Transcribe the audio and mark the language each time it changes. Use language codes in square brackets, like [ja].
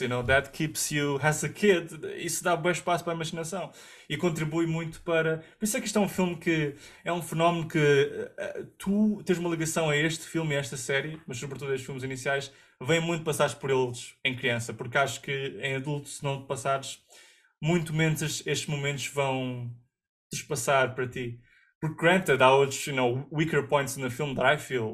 [en] You know, that keeps you as a kid. [pt] Isso dá um bom espaço para a imaginação. E contribui muito para... Por isso é que isto é um filme que... É um fenómeno que... tu tens uma ligação a este filme e a esta série, mas sobretudo a estes filmes iniciais, vem muito passares por eles em criança. Porque acho que em adulto, se não te passares, muito menos estes momentos vão despassar para ti. Porque, [en] granted, [pt] há outros, [en] you know, weaker points in the film that I feel.